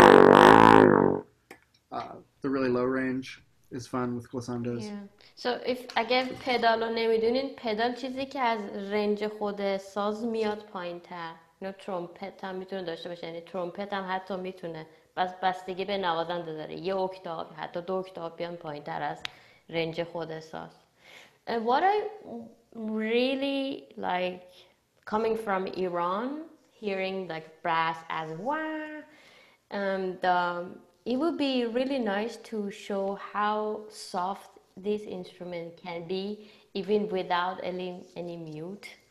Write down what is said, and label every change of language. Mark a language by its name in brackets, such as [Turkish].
[English] The really low range is fun with glissandos. Yeah. So if I get pedal or name, you don't pedal. [Persian] چیزی که از رنج خود ساز میاد پایین تر. نه ترومپت هم میتونه داشته باشه. یعنی ترومپت هم حتی میتونه. بس بستگی به نوازنده داره. یه اکتاب حتی دو اکتاب بیان پایین تر از رنج خود ساز. [English] What I really like coming from Iran, hearing like brass as wah, it would be really nice to show how soft this instrument can be, even without any mute.